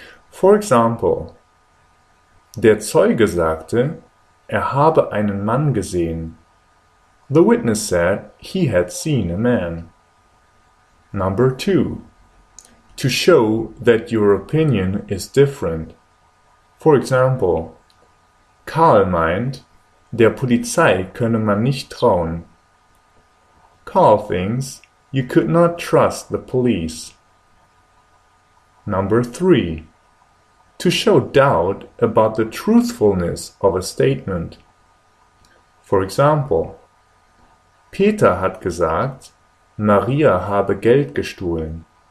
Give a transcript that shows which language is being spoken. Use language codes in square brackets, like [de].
[en] For example, [de] der Zeuge sagte, habe einen Mann gesehen. [en] The witness said he had seen a man. Number 2. To show that your opinion is different. For example, [de] Karl meint, der Polizei könne man nicht trauen. [en] Karl thinks you could not trust the police. Number 3. To show doubt about the truthfulness of a statement. For example, [de] Peter hat gesagt, Maria habe Geld gestohlen.